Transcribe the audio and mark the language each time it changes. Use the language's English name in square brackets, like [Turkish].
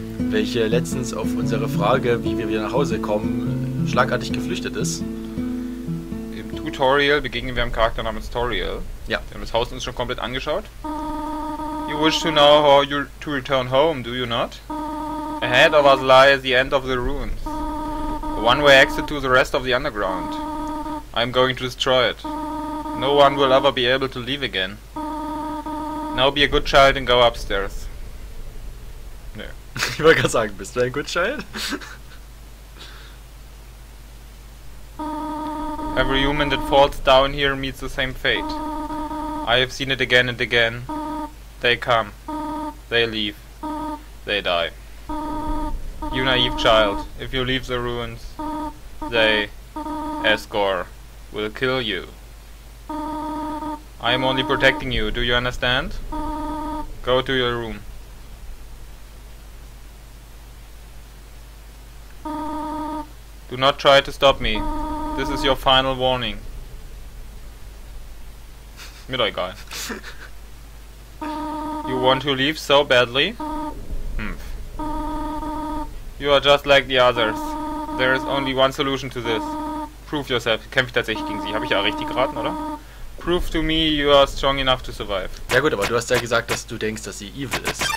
[German] welche letztens auf unsere Frage, wie wir wieder nach Hause kommen, schlagartig geflüchtet ist. Im Tutorial begegnen wir einem Charakter namens Toriel. Ja. Wir haben das Haus uns schon komplett angeschaut. [English] You wish to know how you to return home, do you not? Ahead of us lies the end of the ruins. A one-way exit to the rest of the underground. I am going to destroy it. No one will ever be able to leave again. Now be a good child and go upstairs. [German] Nö. Ich wollte gerade sagen, bist du ein [English] good child? Every human that falls down here meets the same fate. I have seen it again and again. They come. They leave. They die. You naive child, if you leave the ruins, they, Asgore, will kill you. I am only protecting you, do you understand? Go to your room. Do not try to stop me. This is your final warning. [German] Mir doch egal. [English] You want to leave so badly? You are just like the others. There is only one solution to this. Prove yourself. [German] Kämpfe ich tatsächlich gegen sie. Habe ich ja richtig geraten, oder? [English] Prove to me you are strong enough to survive. [German] Ja gut, aber du hast ja gesagt, dass du denkst, dass sie evil ist.